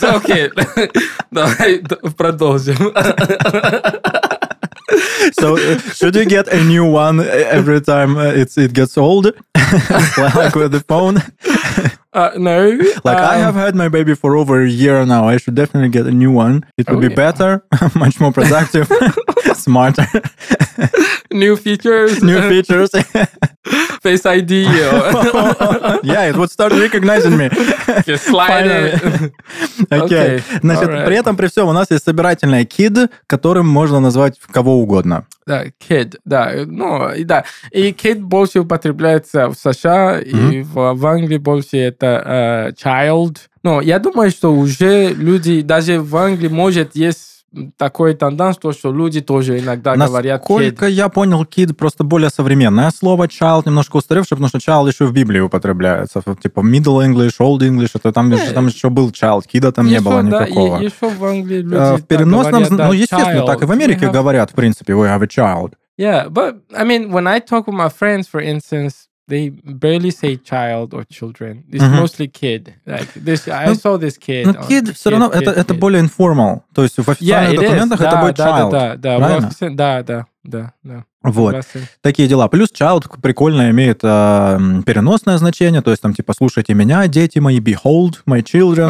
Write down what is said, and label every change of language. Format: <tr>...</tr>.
<en>Okay,</en> <ru>давай продолжим.</ru> <en>So, should you get a new one every time it gets old? Like with the phone? No. Like, I have had my baby for over a year now. I should definitely get a new one. It would be better, much more productive, smarter. New features. New features. Face ID. Yeah, it would start recognizing me. Just slide it. Okay.</en> <ru>Значит, right. При этом, при всем, у нас есть собирательное kid, которым можно назвать кого угодно. Да, kid, да. Ну, да. И kid больше употребляется в США, mm-hmm. и в Англии больше это child. Но я думаю, что уже люди, даже в Англии, может, есть такой тенденс, то, что люди тоже иногда насколько говорят</ru> <en>kid.</en> <ru>Насколько я понял, kid просто более современное слово, child немножко устаревшее, потому что child еще в Библии употребляется.</ru> <en>Типа middle English, old English, это там, yeah.</en> <ru>там еще был child, kid'а там еще, не было никакого. Да, еще в Англии люди в переносном, говорят, ну, естественно, child. Так и в Америке have... говорят, в принципе,</ru> <en>we have a child. Yeah, but, I mean, when I talk with my friends, for instance, they barely say child or children. It's mm-hmm. mostly kid. Like this, I</en> <ru>но,</ru> <en>saw this kid.</en> <ru>Но kid все равно, kid, это kid. Более informal. То есть в официальных</ru> <en>yeah,</en> <ru>документах да, это будет да,</ru> <en>child.</en> <ru>Да, да, да. Правильно? Да, да, да. Вот. Согласен. Такие дела. Плюс child прикольно имеет переносное значение. То есть там типа слушайте меня, дети мои,</ru> <en>behold my children,</en>